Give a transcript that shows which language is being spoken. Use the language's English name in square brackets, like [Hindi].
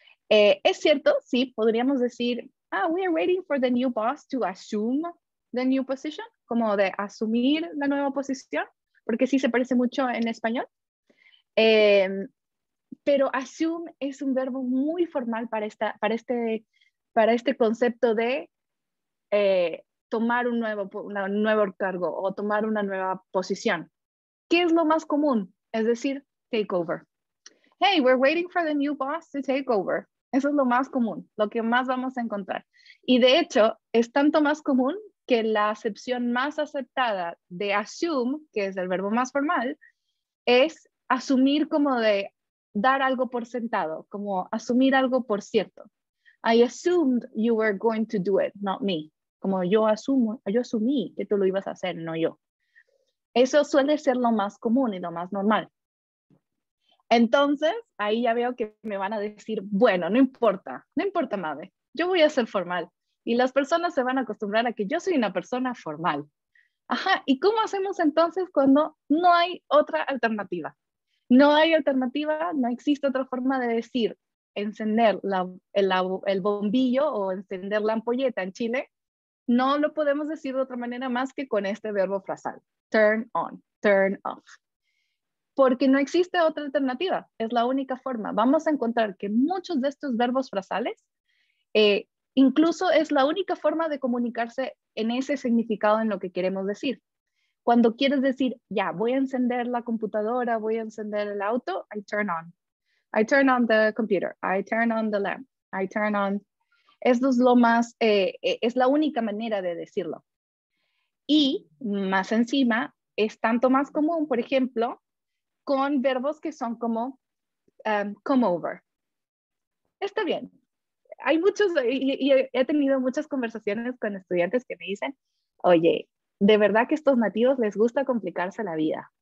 [Spanish] Es cierto, sí, podríamos decir, [English] we are waiting for the new boss to assume the new position, [Spanish] como de asumir la nueva posición, porque sí se parece mucho en español. Pero assume es un verbo muy formal para este concepto de tomar un nuevo cargo o tomar una nueva posición. ¿Qué es lo más común? Es decir, take over. [English] Hey, we're waiting for the new boss to take over. [Spanish] Eso es lo más común, lo que más vamos a encontrar. Y de hecho, es tanto más común que la acepción más aceptada de assume, que es el verbo más formal, es asumir como de dar algo por sentado, como asumir algo por cierto. [English] I assumed you were going to do it, not me. [Spanish] Como yo asumí que tú lo ibas a hacer, no yo. Eso suele ser lo más común y lo más normal. Entonces, ahí ya veo que me van a decir, bueno, no importa, madre. Yo voy a ser formal. Y las personas se van a acostumbrar a que yo soy una persona formal. Ajá, ¿y cómo hacemos entonces cuando no hay otra alternativa? No hay alternativa, no existe otra forma de decir encender el bombillo o encender la ampolleta en Chile, no lo podemos decir de otra manera más que con este verbo frasal. [English] Turn on, turn off. [Spanish] Porque no existe otra alternativa, es la única forma. Vamos a encontrar que muchos de estos verbos frasales, incluso es la única forma de comunicarse en ese significado en lo que queremos decir. Cuando quieres decir, ya, voy a encender la computadora, voy a encender el auto, [English] I turn on. I turn on the computer, I turn on the lamp, I turn on. [Spanish] Esto es lo más, es la única manera de decirlo. Y más encima, es tanto más común, por ejemplo, con verbos que son como come over. Está bien. Hay muchos, y he tenido muchas conversaciones con estudiantes que me dicen, oye, de verdad que a estos nativos les gusta complicarse la vida.